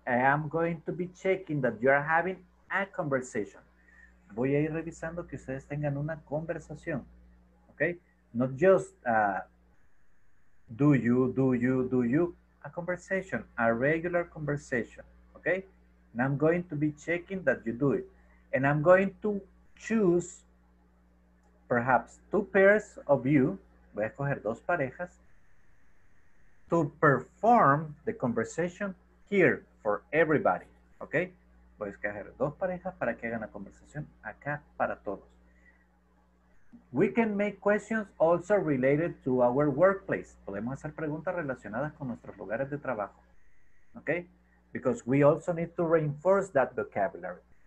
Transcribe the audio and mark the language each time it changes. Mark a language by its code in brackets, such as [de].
[en] I am going to be checking that you are having a conversation. [es] Voy a ir revisando que ustedes tengan una conversación, okay? [en] Not just do you, a conversation, a regular conversation, okay? And I'm going to be checking that you do it. And I'm going to choose perhaps 2 pairs of you, [es] voy a escoger 2 parejas, [en] to perform the conversation here for everybody, okay? [es] Voy a escoger 2 parejas para que hagan la conversación acá para todos. [en] We can make questions also related to our workplace. [es] Podemos hacer preguntas relacionadas con nuestros lugares de trabajo, okay? [en] Because we also need to reinforce that vocabulary.